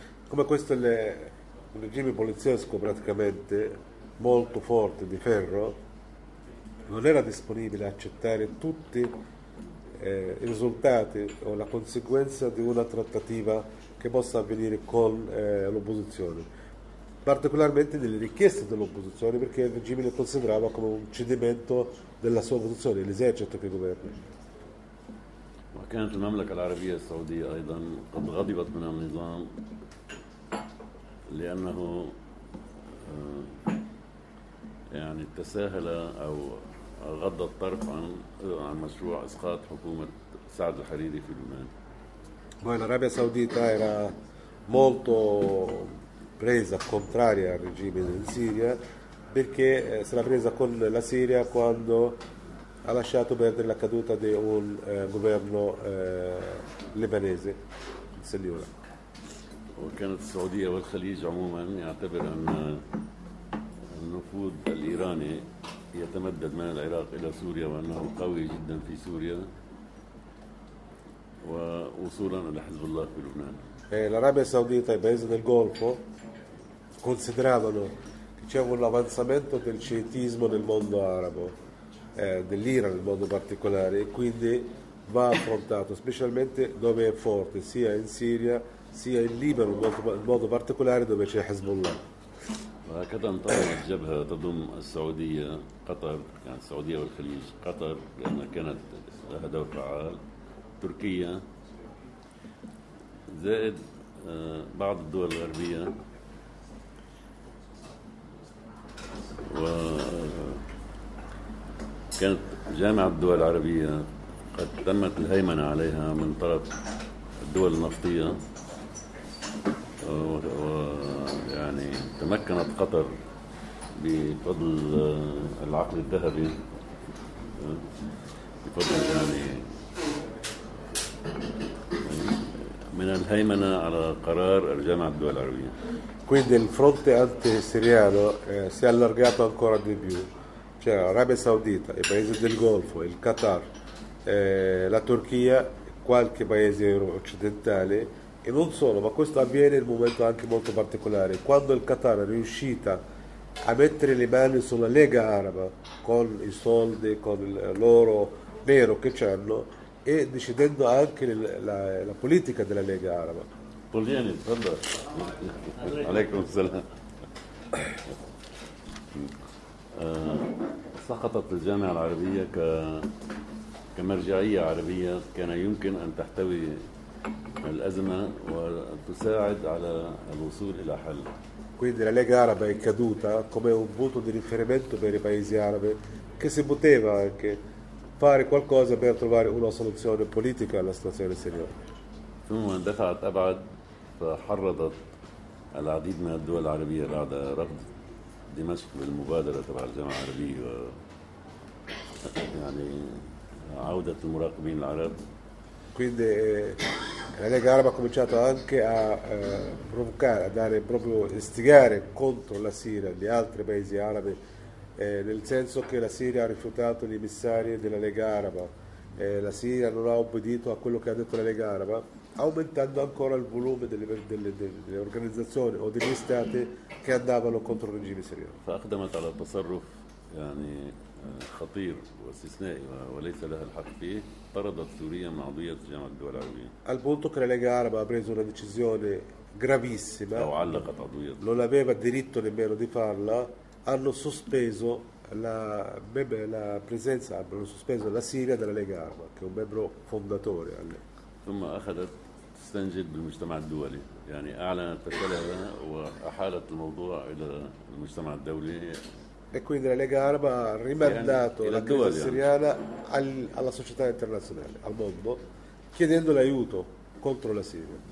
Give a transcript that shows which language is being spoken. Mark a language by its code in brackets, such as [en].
[it] Come questo è un regime poliziesco praticamente molto forte di ferro, non era disponibile a accettare tutti i risultati o la conseguenza di una trattativa che possa avvenire con l'opposizione, particolarmente delle richieste dell'opposizione, perché il regime le considerava come un cedimento della sua posizione, l'esercito che governa. [ar] وكانت المملكة العربية السعودية أيضا قد غضبت من النظام لأنه يعني تساهل أو غض الطرف عن مشروع إسقاط حكومة سعد الحريري في لبنان. [it] Poi l'Arabia Saudita era molto presa contraria al regime in Siria, perché se l'ha presa con la Siria quando ha lasciato perdere la caduta di un governo libanese, Sellula. [ar] وكانت السعودية والخليج عموما يعتبر أن النفوذ الإيراني يتمدد من العراق إلى سوريا وأنه قوي جدا في سوريا ووصولا إلى حزب الله في لبنان. [it] L'Arabia Saudita e i paesi del Golfo consideravano che c'è un avanzamento del sciitismo nel mondo arabo, dell'Iran in modo particolare, e quindi va affrontato specialmente dove è forte, sia in Siria sia in Libano in modo particolare dove c'è Hezbollah. [ar] وهكذا انطلقت جبهة تضم السعودية قطر يعني السعودية والخليج قطر لأنها كانت لها دور فعال تركيا زائد بعض الدول الغربية وكانت جامعة الدول العربية قد تمت الهيمنة عليها من طرف الدول النفطية ويعني تمكنت قطر بفضل العقد الذهبي بفضل يعني من الهيمنة على قرار الجامعة الدول العربية. [it] Quindi il fronte antisiriano si è allargato ancora di più. Cioè Arabia Saudita, i paesi del Golfo, il Qatar, la Turchia, qualche paese occidentale. E non solo, ma questo avviene in un momento anche molto particolare, quando il Qatar è riuscita a mettere le mani sulla Lega Araba con i soldi, con l'oro nero che c'hanno e decidendo anche la politica della Lega Araba. Polgiani, guarda. [ar] Aleikum salam. سقطت الجامعة العربية كمرجعية عربية كان يمكن أن تحتوي الأزمة وتساعد على الوصول إلى حل. [it] Quindi la Lega Araba è caduta come un punto di riferimento per i paesi arabi che si poteva anche fare qualcosa per trovare una soluzione politica alla situazione siriana. [ar] ثم دفعت أبعد فحرضت العديد من الدول العربية بعد رفض دمشق بالمبادرة تبع الجامعة العربية يعني عودة المراقبين العرب. [it] Quindi la Lega Araba ha cominciato anche a provocare, a dare proprio istigare contro la Siria gli altri paesi arabi, nel senso che la Siria ha rifiutato gli emissari della Lega Araba, la Siria non ha obbedito a quello che ha detto la Lega Araba, aumentando ancora il volume delle organizzazioni o degli stati che andavano contro il regime siriano. [ar] فأقدمت على تصرف يعني خطير واستثنائي وليس لها الحق فيه طردت سوريا من عضوية جامعة الدول العربية. [it] Al punto che la Lega Araba ha preso una decisione gravissima. [ar] أو علقت عضوية. [it] Non aveva diritto nemmeno di farla. Hanno sospeso la presenza, hanno sospeso la Siria della Lega Araba, che è un membro fondatore. [ar] ثم أخذت تستنجد بالمجتمع الدولي يعني أعلنت فشلها وأحالت الموضوع إلى المجتمع الدولي. [it] E quindi la Lega Araba ha rimandato la crisi siriana alla società internazionale, al mondo, chiedendo l'aiuto contro la Siria.